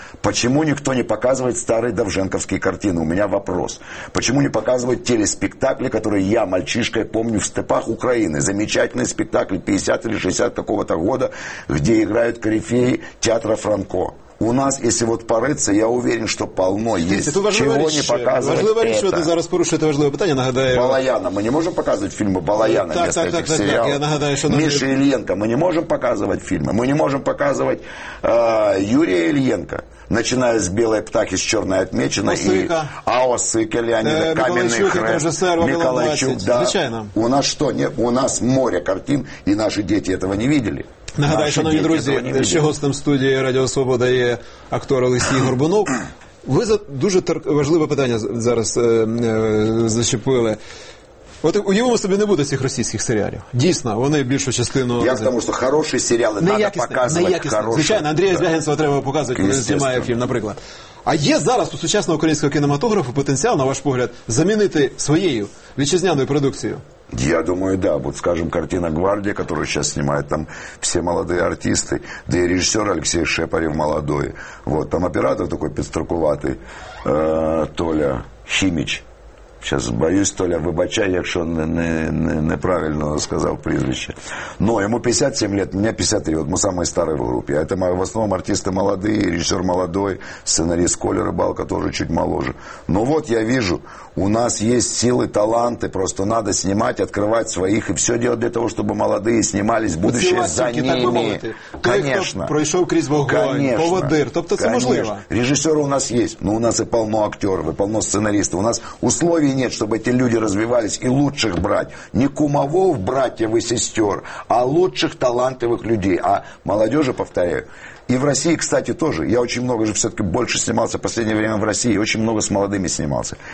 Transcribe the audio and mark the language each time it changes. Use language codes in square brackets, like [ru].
[ru] Почему никто не показывает старые довженковские картины? У меня вопрос. Почему не показывают телеспектакли, которые я, мальчишкой, помню в степах Украины? Замечательный спектакль 50 или 60 какого-то года, где играют корифеи театра Франко. У нас, если вот порыться, я уверен, что полно есть, чего не показывать это. [uk] Важлива річ, ти зараз порушує це важливе питання, нагадаю. Балаяна. Ми не можемо показувати фільми Балаяна вместо цих сериалів. Так, я нагадаю, що... Миша Ильенко. Ми не можемо показувати фільми. Ми не можемо показувати Юрія Ильенко. [ru] Начиная с «Белой птахи», с «Черной отмеченной» и «Ао Сыка», «Леонида», «Каменный хрест», «Миколайчук». Да. У нас что? Нет, у нас море картин, и наши дети этого не видели. [uk] Нагадаю, наши шановні друзі, ще гостем студії Радіо Свобода є актор Олексій Горбунов. Ви дуже важливе питання зараз зачепили. От уявимо собі, не буде цих російських серіалів. Дійсно, вони більшу частину... Я тому, що хороші серіали треба показувати. Звичайно, Андрія Звягинцева треба показувати, коли знімає фільм, наприклад. А є зараз у сучасного українського кінематографу потенціал, на ваш погляд, замінити своєю вітчизняною продукцією? [ru] Я думаю, да. Вот, скажем, картина «Гвардия», которую сейчас снимают там все молодые артисты, да и режиссер Алексей Шепарев молодой. Вот, там оператор такой пестроковатый, Толя Химич. Сейчас боюсь, Толя, [uk] выбачай, якщо неправильно сказав прізвище. Но йому 57 лет, мені 53, от ми самий старий в групі. [ru] А в основному артисти молодые, режиссер молодой, сценарист Коля Рыбалка тоже чуть моложе. Ну вот я вижу, у нас есть силы, таланты, просто надо снимать, открывать своих, и все делать для того, чтобы молодые снимались, будущее за ними. Конечно. [uk] Пройшов крізь вогонь, поводир, тобто це можливо. [ru] Режиссеры у нас есть, но у нас и полно актеров, и полно сценаристов. У нас условия нет, чтобы эти люди развивались и лучших брать. Не кумовов, братьев и сестер, а лучших талантливых людей. А молодежи, повторяю, и в России, кстати, тоже. Я очень много же все-таки больше снимался в последнее время в России. Очень много с молодыми снимался.